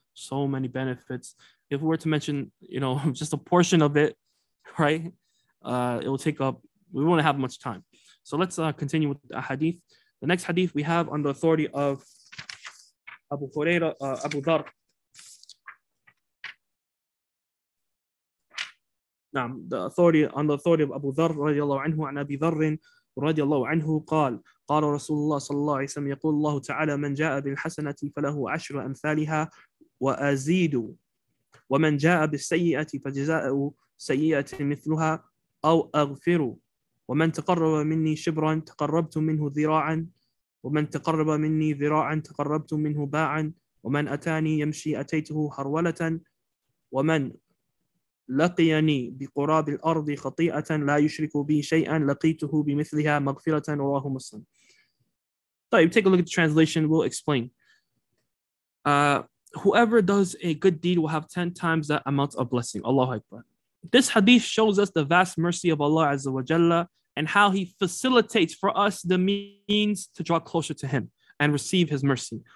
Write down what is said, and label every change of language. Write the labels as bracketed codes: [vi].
[en] So many benefits. If we were to mention, you know, just a portion of it, right? It will take up, we won't have much time. So let's continue with the ahadith. The next hadith we have on the authority of Abu Huraira, Abu Dharr. [ar] نعم, [en] on the authority of Abu Dharr [ar] رضي الله عنه عن أبي ذر رضي الله عنه قال قال رسول الله صلى الله عليه وسلم يقول الله تعالى من جاء بالحسنة فله عشر أمثالها وأزيد ومن جاء بالسيئة فجزاؤه سيئة مثلها أو أغفر ومن تقرب مني شبرا تقربت منه ذراعا ومن تقرب مني ذراعا تقربت منه باعا ومن أتاني يمشي أتيته هرولة ومن لقيني بقراب الأرض خطيئة لا يشرك بي شيئا لقيته بمثلها مغفرة رواه مسلم. [en] طيب, take a look at the translation, we'll explain. Whoever does a good deed will have 10 times that amount of blessing. Allahu Akbar. This hadith shows us the vast mercy of Allah Azza wa Jalla and how he facilitates for us the means to draw closer to him and receive his mercy.